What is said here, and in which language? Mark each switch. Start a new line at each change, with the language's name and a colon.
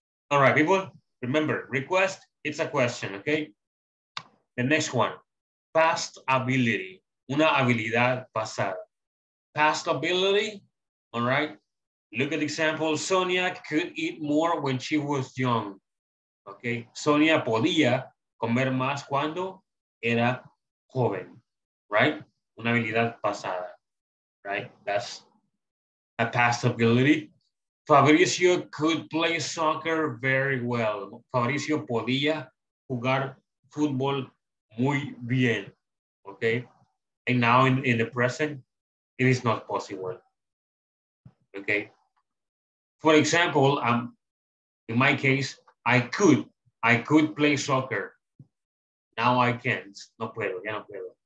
English: All right, people, remember, request, it's a question, okay? The next one, past ability,
Spanish: una habilidad pasada.
English: Past ability, all right? Look at the example, Sonia could eat more when she was young.
Spanish: Okay, Sonia podía comer más cuando era joven, right? Una habilidad pasada,
English: right? That's a past ability. Fabricio could play soccer very well.
Spanish: Fabricio podía jugar fútbol muy bien, okay?
English: And now in the present, it is not possible, okay? For example, in my case, I could play soccer. Now I can't,
Spanish: no puedo, ya no puedo.